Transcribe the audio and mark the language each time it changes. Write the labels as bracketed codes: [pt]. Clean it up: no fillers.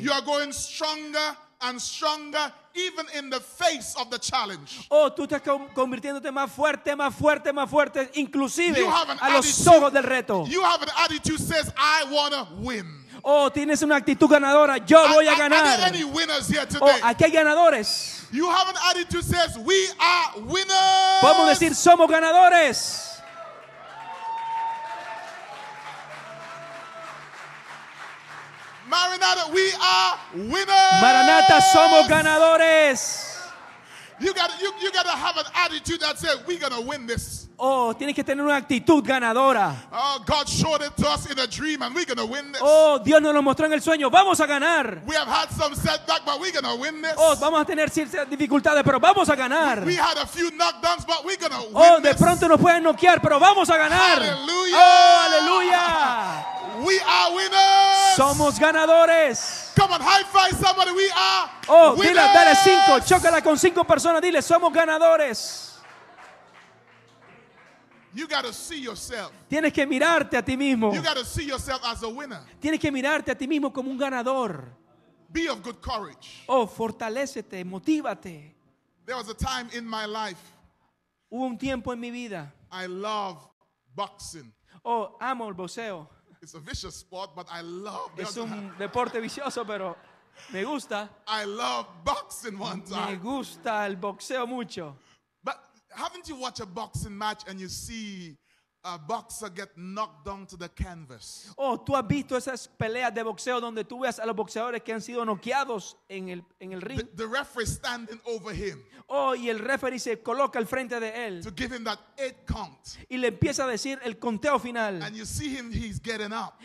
[en] You are going stronger and stronger even in the face of the challenge. [es] Oh, tú estás convirtiéndote más fuerte, más fuerte, más fuerte, inclusive a los ojos del reto. [en] You have an attitude that says, I want to win. [es] Oh, tienes una actitud ganadora. Yo voy a ganar. [en] Are there any winners here today? [es] Oh, aquí hay ganadores. [en] You have an attitude that says, we are winners. [es] Podemos decir, somos ganadores. [en] Maranatha, we are winners. [es] Maranatha, somos ganadores. [en] You gotta have an attitude that says, we're gonna win this. [es] Oh, tienes que tener una actitud ganadora. [en] Oh, God showed it to us in a dream and we're gonna win this. [es] Oh, Dios nos lo mostró en el sueño. Vamos a ganar. [en] We have had some setbacks, but we're gonna win this. [es] Oh, vamos a tener ciertas dificultades, pero vamos a ganar. [en] We had a few knockdowns, but we're gonna win this. [es] Oh, de pronto nos pueden noquear, pero vamos a ganar. [en] Hallelujah. [es] Oh, aleluya. [en] We are winners. [es] Somos ganadores. [en] Come on, high five somebody. We are. [es] Oh, dile, dale cinco. Chócala con cinco personas. Dile, somos ganadores. [en] You gotta see yourself. [es] Tienes que mirarte a ti mismo. [en] You gotta see yourself as a winner. [es] Tienes que mirarte a ti mismo como un ganador. [en] Be of good courage. [es] Oh, fortalécete, motívate. [en] There was a time in my life. [es] Hubo un tiempo en mi vida. [en] I love boxing. [es] Oh, amo el boxeo. [en] It's a vicious sport, but I love [es] it. Es un deporte vicioso, pero me gusta. [en] I love boxing one time. [es] Me gusta el boxeo mucho. [en] But haven't you watched a boxing match and you see a boxer get knocked down to the canvas? [es] Oh, tú has visto esas peleas de boxeo donde tú ves a los boxeadores que han sido noqueados en el ring. [en] The referee standing over him. [es] Oh, y el referee se coloca al frente de él. [en] To give him that 8 count. [es] Y le empieza a decir el conteo final. [en] And you see him, he's getting up.